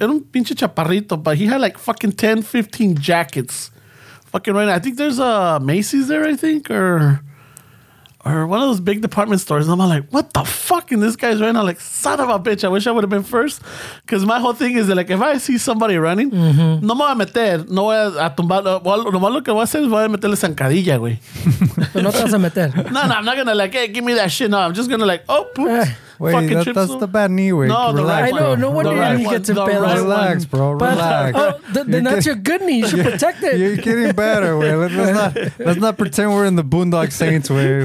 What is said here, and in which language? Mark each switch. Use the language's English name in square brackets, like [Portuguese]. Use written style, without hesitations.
[Spanish] Era un pinche chaparrito, [English] but he had like fucking 10, 15 jackets. Fucking right now. I think there's a Macy's there, I think, or one of those big department stores. And I'm like, what the fuck? And this guy's running. I'm like, son of a bitch. I wish I would have been first. Because my whole thing is that, like, if I see somebody running, [Spanish] no me voy a meter. No voy a tumbar. Lo malo que voy a hacer es voy a meterle zancadilla, güey. No te vas a meter. [English] No, I'm not going to, like, hey, give me that shit. No, I'm just going to, like, oh, poops. Wait, that's the bad knee, way. No, relax, I know. No wonder your knee gets better. Relax, bro. Relax. Then that's your good knee. You should protect it. You're getting better, way. Let's not pretend we're in the Boondock Saints, way.